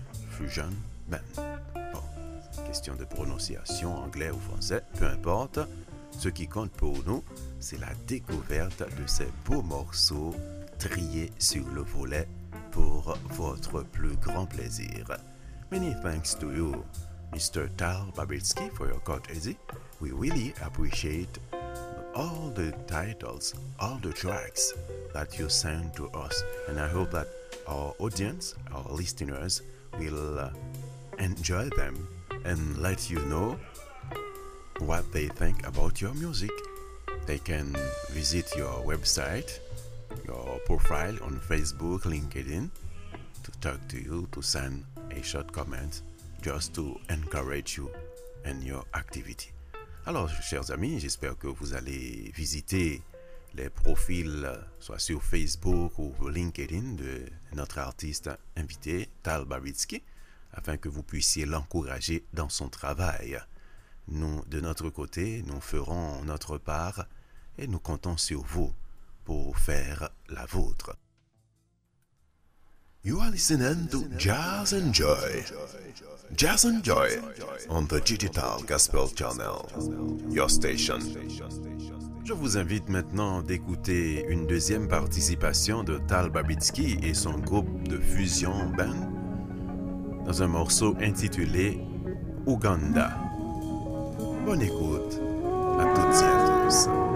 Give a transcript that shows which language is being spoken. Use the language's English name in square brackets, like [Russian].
[French] Fusion Band. Bon, question de prononciation, anglais ou français, peu importe. Ce qui compte pour nous, c'est la découverte de ces beaux morceaux triés sur le volet pour votre plus grand plaisir. [English] Many thanks to you, Mr. Tal Babitsky, for your courtesy. We really appreciate all the titles, all the tracks that you send to us. And I hope that our audience, our listeners, will enjoy them and let you know what they think about your music. They can visit your website, your profile on Facebook, LinkedIn, to talk to you, to send a short comment, just to encourage you and your activity. [French] Alors, chers amis, j'espère que vous allez visiter les profils, soit sur Facebook ou LinkedIn, de notre artiste invité, Tal Babitsky, afin que vous puissiez l'encourager dans son travail. Nous, de notre côté, nous ferons notre part et nous comptons sur vous pour faire la vôtre. [English] You are listening to Jazz and Joy. Jazz and Joy on the Digital Gospel Channel, your station. [French] Je vous invite maintenant d'écouter une deuxième participation de Tal Babitsky et son groupe de Fusion Band dans un morceau intitulé Uganda. Bonne écoute à toutes et à tous.